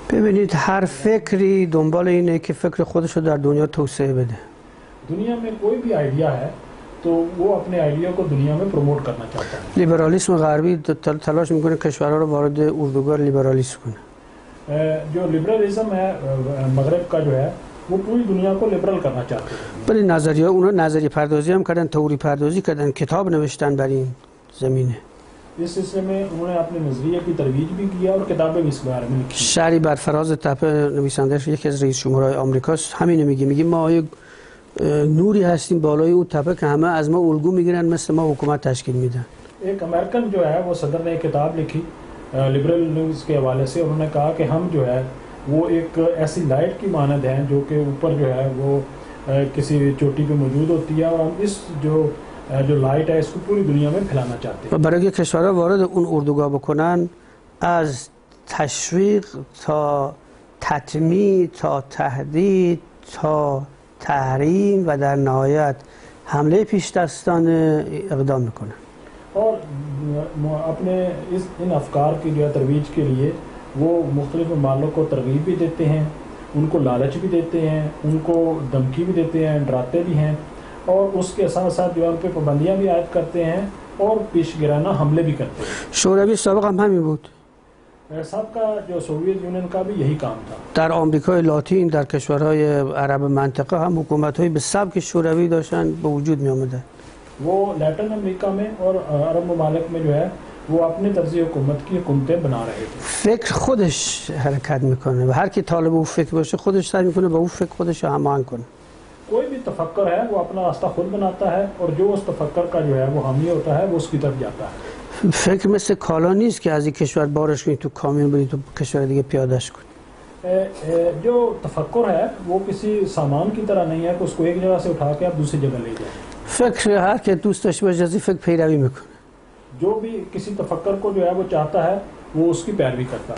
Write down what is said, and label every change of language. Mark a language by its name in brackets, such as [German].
[Persian] ببینید هر فکری دنبال اینه که فکر خودش رو در دنیا توسعه بده. [Urdu] دنیا میں کوئی بھی آئیڈیا ہے تو وہ اپنے آئیڈیا کو دنیا میں پروموٹ کرنا چاہتا ہے. [Persian] لیبرالیسم غربی تلاش میکنه کشورها رو وارد اردوگاه لیبرالیسم کنه. [Urdu] جو لیبرالیسم ہے مغرب کا جو ہے وہ پوری دنیا کو لیبرل کرنا چاہتا ہے. [Persian] بلی نظریه اونها نظریه پردازی هم کردن, تئوری پردازی کردن, کتاب نوشتن بر این زمینه. [Urdu] اس سلسلے میں انہوں نے اپنے نظریے کی ترویج بھی کیا اور کتابیں بھی اس بارے میں لکھی. [Persian] شہری بر فراز تپه نویسنده یکی از رئیس جمهورهای آمریکاست همین میگه, میگه ما یه نوری هستیم بالای اون تپه که همه از ما الگو میگیرن مثل ما حکومت تشکیل میدن. [Urdu] ایک امریکن جو ہے وہ صدر نے ایک کتاب لکھی لیبرل نیوز کے حوالے سے, انہوں نے کہا کہ ہم جو ہے وہ ایک ایسی لائٹ کی مانند ہیں جو کہ اوپر جو ہے وہ کسی چوٹی پہ موجود ہوتی ہے, اور ہم اس جو لائٹ ہے اس کو پوری دنیا میں پھیلانا چاہتے ہیں. [Persian] برای که کشورها وارد اون اردوگاه بکنن از تشویق تا تطمیع تا تهدید تا تحریم و در نهایت حمله پیش دستان اقدام میکنن, [Urdu] اور اپنے ان افکار کی جو ترویج کے لیے وہ مختلف ممالک کو ترغیب بھی دیتے ہیں, ان کو لالچ بھی دیتے ہیں, ان کو دھمکی بھی دیتے ہیں, ڈراتے بھی ہیں, اور اس کے ساتھ ساتھ جو ہے ان پہ پابندیاں بھی عائد کرتے ہیں اور پیشگیرانہ حملے بھی کرتے ہیں. [Persian] شوروی سابق ہم ہمیں بود [Urdu] سب کا جو سوویت یونین کا بھی یہی کام تھا. [Persian] در امریکای لاتین در کشورهای عرب منطقه هم حکومت های به سبک شوروی داشتن به وجود می آمدن. [Urdu] وہ لیٹن امریکہ میں اور عرب ممالک میں جو ہے وہ اپنے طرز حکومت کی حکومتیں بنا رہے تھے. [Persian] فکر خودش حرکت میکنه و هر کی طالب او فکر باشه خودش سعی میکنه با او فکر خودش هماهنگ کنه. [Urdu] کوئی بھی تفکر ہے وہ اپنا راستہ خود بناتا ہے, اور جو اس تفکر کا جو ہے وہ حامی ہوتا ہے وہ اس کی طرف جاتا ہے. [Persian] فکر مثل کالا نیست کہ از این کشور بارش کنی تو کامیون بری تو کشور دیگه پیادش کنی. [Urdu] جو تفکر ہے وہ کسی سامان کی طرح نہیں ہے کہ اس کو ایک جگہ سے اٹھا کے آپ دوسری جگہ لے جائیں. [Persian] فکر ہر کے دوست داشته باشه جزی فکر پیروی میکنه. [Urdu] جو بھی کسی تفکر کو جو ہے وہ چاہتا ہے وہ اس کی پیروی کرتا.